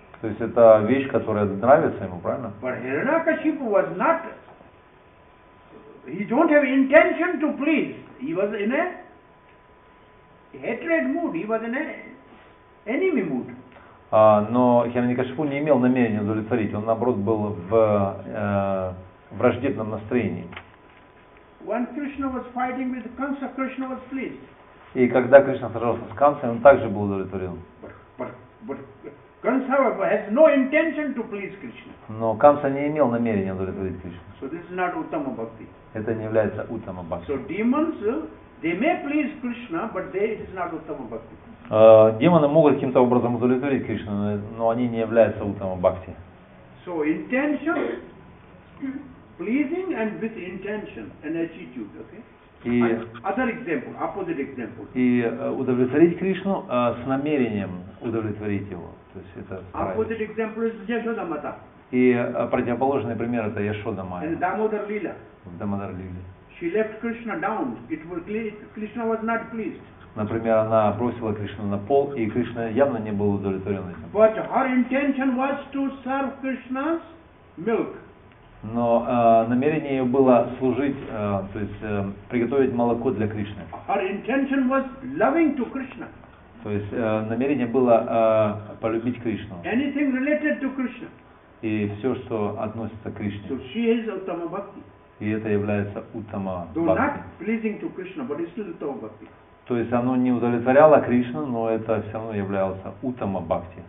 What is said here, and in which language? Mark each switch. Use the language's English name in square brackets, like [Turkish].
[Russian] То есть это вещь, которая нравится ему, правильно? [English] But Hiranyakashipu was not. He don't have intention to please. He was in a hatred mood, he was an enemy mood. [Russian] Но Хираньякашипу не имел намерения удовлетворить, он наоборот был в враждебном настроении. [English] When Krishna was fighting with Kansa, Krishna was pleased. [Russian] И когда Кришна сражался с Кансой, он также был удовлетворен. [English] But Kansa has no intention to please Krishna. [Russian] Но Канса не имел намерения удовлетворить Кришну. [English] So this is not Uttama Bhakti. [Russian] Это не является Uttama Bhakti. [English] So demons, they may please Krishna, but they it is not Uttama Bhakti. [Russian] Демоны могут каким-то образом удовлетворить Кришну, но они не являются Uttama Bhakti. [English] So intention, pleasing and with intention and attitude, okay? [Russian] И, [English] other example, opposite example. [Russian] И удовлетворить Кришну с намерением удовлетворить его. То есть это [English] opposite example is Yashoda Mata. [Russian] И противоположный пример это Yashoda Maya. [English] And Damodar Lila. Damodar Lila. She left Krishna down. It was Krishna was not pleased. [Russian] Например, она бросила Кришну на пол, и Кришна явно не был удовлетворен этим. [English] But her intention was to serve Krishna's milk. [Russian] Но намерение ее было служить, то есть приготовить молоко для Кришны. [English] Her intention was loving to Krishna. [Russian] То есть намерение было полюбить Кришну. [English] Anything related to Krishna. [Russian] И все, что относится к Кришне. [English] So she is Uttama Bhakti. [Russian] И это является Uttama Bhakti. [English] Though not pleasing to Krishna, but it's still Uttama Bhakti. [Russian] То есть оно не удовлетворяло Кришну, но это все равно являлось Uttama Bhakti.